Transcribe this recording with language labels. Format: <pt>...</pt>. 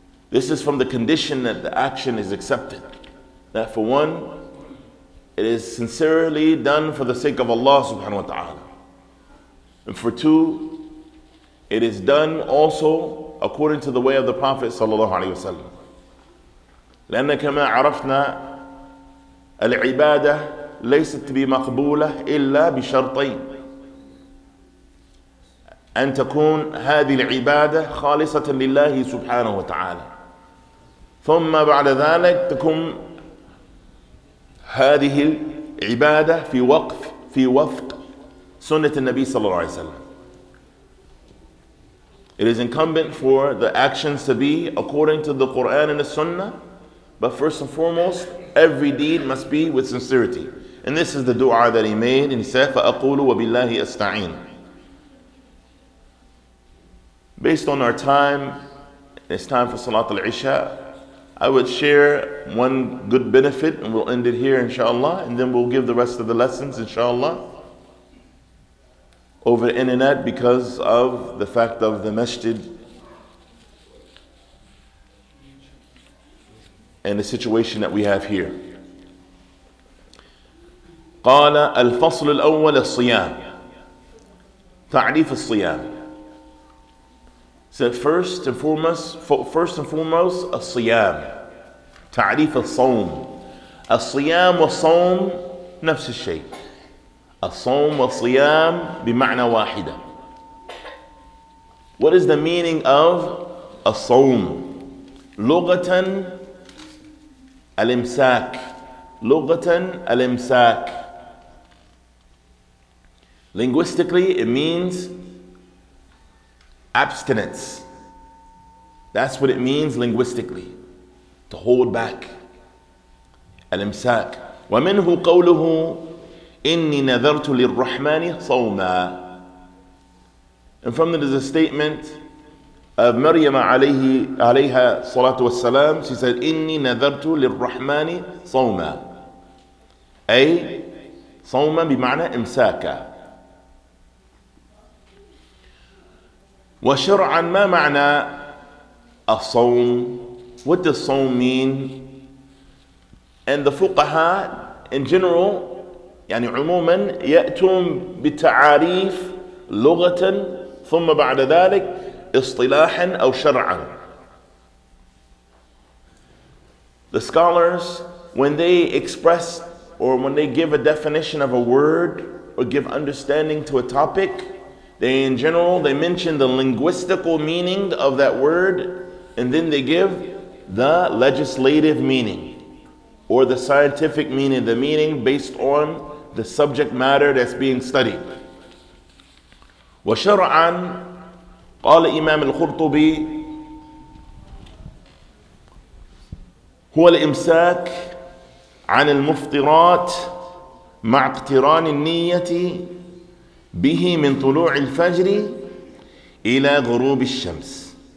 <en>This is from the condition that the action is accepted. That for one, it is sincerely done for the sake of Allah subhanahu wa ta'ala. And for two, it is done also according to the way of the Prophet sallallahu alaihi wasallam.</en> <ar>لأن كما عرفنا العبادة ليست بمقبولة إلا بشرطين: أن تكون هذه العبادة خالصة لله سبحانه وتعالى، ثم بعد ذلك تكون هذه العبادة في وفق سنة النبي صلى الله عليه وسلم.</ar> <en>It is incumbent for the actions to be according to the Quran and the Sunnah, but first and foremost, every deed must be with sincerity. And this is the dua that he made, and he said,</en> <ar>فَأَقُولُ وَبِاللَّهِ أَسْتَعِينَ.</ar> <en>Based on our time, it's time for Salat al-Isha, I would share one good benefit, and we'll end it here inshallah, and then we'll give the rest of the lessons inshallah over the internet because of the fact of the masjid and the situation that we have here.</en> <ar>قال الفصل الأول الصيام تعريف الصيام.</ar> <en>So first and foremost,</en> <ar>الصيام تعريف الصوم. الصيام والصوم نفس الشيء. الصوم والصيام بمعنى واحدة.</ar> <en>What is the meaning of الصوم؟</en> <ar>لغة الامساك. لغة الامساك.</ar> <en>Linguistically, it means abstinence. That's what it means linguistically. To hold back. الامساك.</en> <ar>ومنه قوله إني نذرت للرحمن صوما.</ar> <en>And from that is a statement of Maryam</en> <ar>عليها الصلاة والسلام.</ar> <en>She said,</en> <ar>إني نذرت للرحمن صوما. أي صوما بمعنى امساكا. وشرعا ما معنى الصوم؟</ar> <en>What does صوم mean? And the</en> <ar>فقهاء</ar> <en>in general,</en> <ar>يعني عموما يأتون بتعاريف لغة ثم بعد ذلك اصطلاحا أو شرعا.</ar> <en>The scholars, when they express or when they give a definition of a word or give understanding to a topic, they in general, they mention the linguistical meaning of that word and then they give the legislative meaning or the scientific meaning, the meaning based on the subject matter that's being studied.</en> <ar>وَشَرْعًا قَالَ إِمَامِ الْخُرْطُبِي هُوَ الْإِمْسَاكِ عَنِ الْمُفْطِرَاتِ مَعْ اقْتِرَانِ النِّيَّةِ به من طلوع الفجر إلى غروب الشمس.</ar>